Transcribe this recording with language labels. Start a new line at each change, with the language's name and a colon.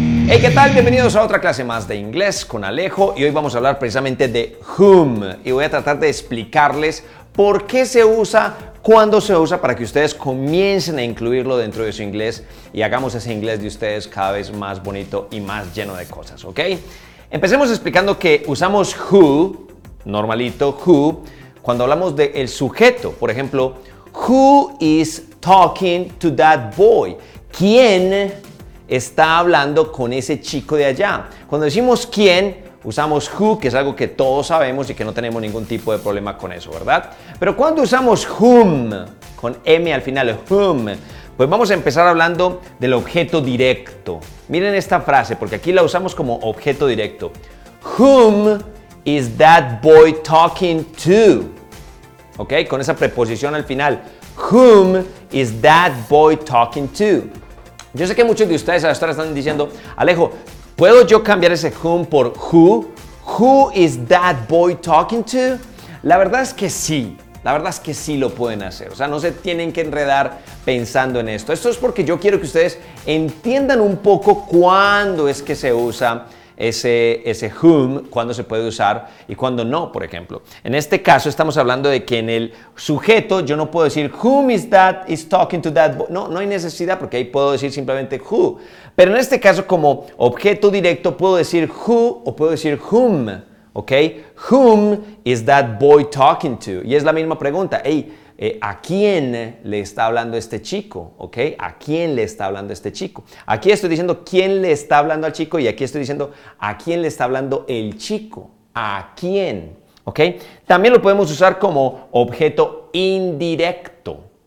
Spanish: Hey, ¿qué tal? Bienvenidos a otra clase más de inglés con Alejo y hoy vamos a hablar precisamente de whom y voy a tratar de explicarles por qué se usa, cuándo se usa para que ustedes comiencen a incluirlo dentro de su inglés y hagamos ese inglés de ustedes cada vez más bonito y más lleno de cosas, ¿ok? Empecemos explicando que usamos who, normalito, who, cuando hablamos del sujeto. Por ejemplo,
English: who is talking to that boy?
Spanish: ¿Quién está hablando con ese chico de allá? Cuando decimos quién, usamos who, que es algo que todos sabemos y que no tenemos ningún tipo de problema con eso, ¿verdad? Pero cuando usamos whom, con M al final, whom, pues vamos a empezar hablando del objeto directo. Miren esta frase, porque aquí la usamos como objeto directo.
English: Whom is that boy talking to?
Spanish: ¿Ok? Con esa preposición al final.
English: Whom is that boy talking to?
Spanish: Yo sé que muchos de ustedes a esta hora están diciendo, Alejo, ¿puedo yo cambiar ese whom por who?
English: ¿Who is that boy talking to?
Spanish: La verdad es que sí. La verdad es que sí lo pueden hacer. O sea, no se tienen que enredar pensando en esto. Esto es porque yo quiero que ustedes entiendan un poco cuándo es que se usa ese whom, cuándo se puede usar y cuándo no, por ejemplo. En este caso estamos hablando de que en el sujeto yo no puedo decir
English: whom is that is talking to that boy.
Spanish: No, no hay necesidad porque ahí puedo decir simplemente who. Pero en este caso como objeto directo puedo decir who o puedo decir whom, ¿ok?
English: Whom is that boy talking to?
Spanish: Y es la misma pregunta. Hey, ¿a quién le está hablando este chico? ¿Ok? ¿A quién le está hablando este chico? Aquí estoy diciendo quién le está hablando al chico y aquí estoy diciendo a quién le está hablando el chico. ¿A quién? ¿Ok? También lo podemos usar como objeto indirecto.